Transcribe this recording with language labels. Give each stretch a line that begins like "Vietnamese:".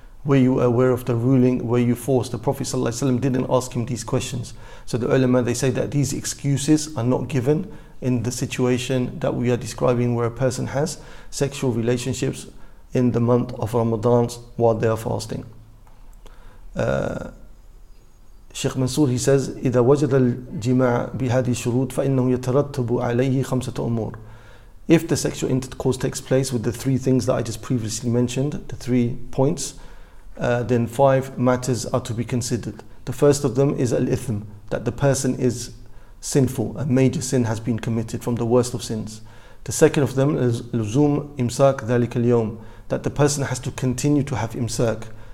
English: Were you aware of the ruling? Were you forced? The Prophet ﷺ didn't ask him these questions. So the ulama, they say that these excuses are not given in the situation that we are describing, where a person has sexual relationships in the month of Ramadan while they are fasting. Sheikh Mansour, he says,
Arabic: إذا وجد الجماع بهذه الشروط فإنه يترتب عليه خمسة أمور.
English: If the sexual intercourse takes place with the three things that I just previously mentioned, the three points, then five matters are to be considered. The first of them is al-ithm, that the person is sinful, a major sin has been committed from the worst of sins. The second of them is luzum imsak dhalik al-yawm, that the person has to continue to have imsak.